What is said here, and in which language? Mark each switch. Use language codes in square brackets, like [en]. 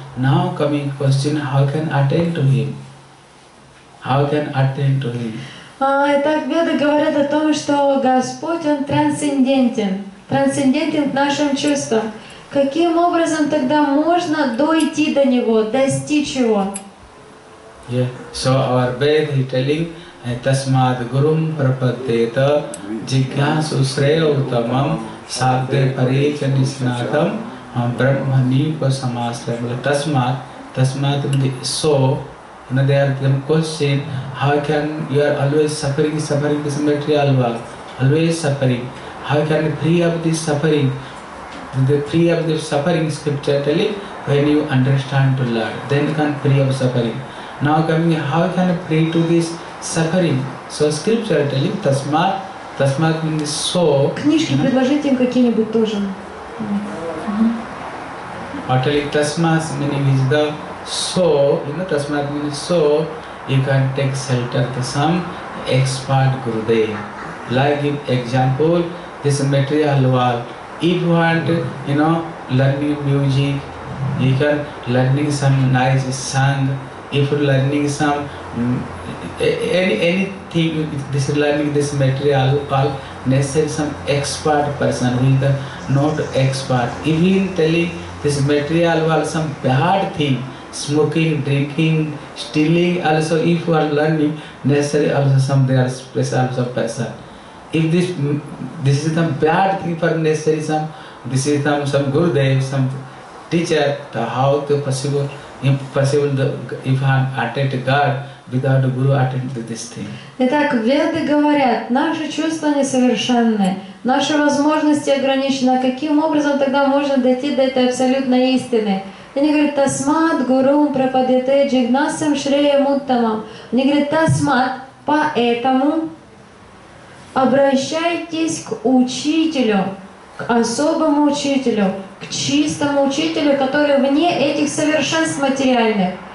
[en] Now coming question, how can attain to him? [ru] Итак, Веды говорят о том, что Господь, Он трансцендентен. Трансцендентен к нашим чувствам. Каким образом тогда можно дойти до него, достичь его? [en] Yeah. So our Ved is telling, [sa] Tasmad Gurum Prapadeta Jigyasu Shreya Uttamam Sadde Parecha Nisnatam Brahmani Pasamasrema Tasmad, Tasmad, so [en] And they are them question, how can you are always suffering, suffering this material world, always suffering. How can you free up this suffering? The free of the suffering scripture telling when you understand to learn, then you can free of suffering. Now coming, how can you free to this suffering? So scripture telling tasmat, tasmat means so. [ru] Книжки предложите им какие-нибудь тоже. [en] Telling tasmat meaning is the so, you know, tasmat means so, you can take shelter to some expert Gurudev. Like in example, this material world. If you want, you know, learning music, you can learning some nice song. If you're learning some, anything, this learning this material, call necessary some expert person who is the not expert. If he is telling this material was some bad thing, smoking, drinking, stealing, also if you are learning, necessary also some, they are special some person. If this is some bad thing for necessary some, this is some Gurudev, some teacher, the how to possible, impossible the, if I attend to God without Guru attend to this thing. [ru] Итак, Веды говорят, наши чувства несовершенны, наши возможности ограничены, каким образом тогда можно дойти до этой абсолютной истины? Они говорят, [sa] тасмат гурум прападете джигнасам шреям уттамам. [ru] Они говорят, тасмат, поэтому обращайтесь к учителю, к особому учителю, к чистому учителю, который вне этих совершенств материальных.